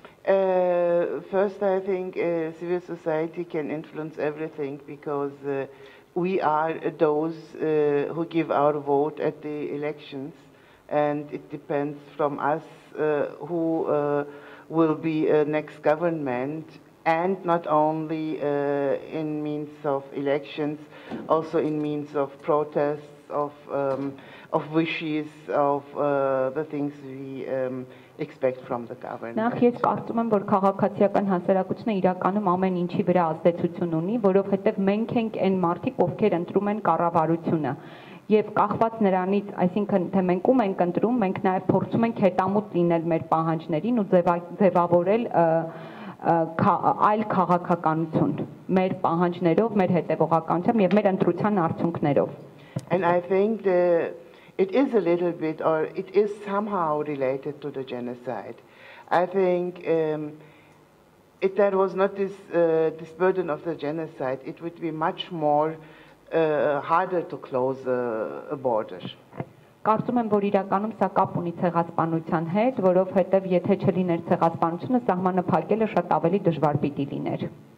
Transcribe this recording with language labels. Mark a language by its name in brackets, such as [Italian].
[English] First, I think civil society can influence everything because we are those who give our vote at the elections, and it depends from us who will be next government. And not only in means of elections, also in means of protests, of wishes, of the things we expect from the government. [Armenian] Նախ ես կարծում եմ, որ քաղաքացիական հասարակությունը իրականում ամեն ինչի վրա ազդեցություն ունի, որովհետև մենք ենք այն մարդիկ, ովքեր ընտրում են կառավարությունը։ եւ կախված նրանից, այսինքն թե մենք ում ենք ընտրում, մենք նաեւ փորձում ենք հետամուտ լինել մեր պահանջներին ու ձևավորել այլ քաղաքականություն մեր պահանջներով, մեր հետևողականությամբ եւ մեր ընտրության արդյունքներով. [English] And I think the it is a little bit or it is somehow related to the genocide. I think if there was not this this burden of the genocide, it would be much more harder to close a border. [Armenian] Կարծում եմ, որ իրականում սա կապ ունի ցեղասպանության հետ, որովհետև եթե չլիներ ցեղասպանությունը, սահմանը փակելը շատ ավելի դժվար պիտի լիներ.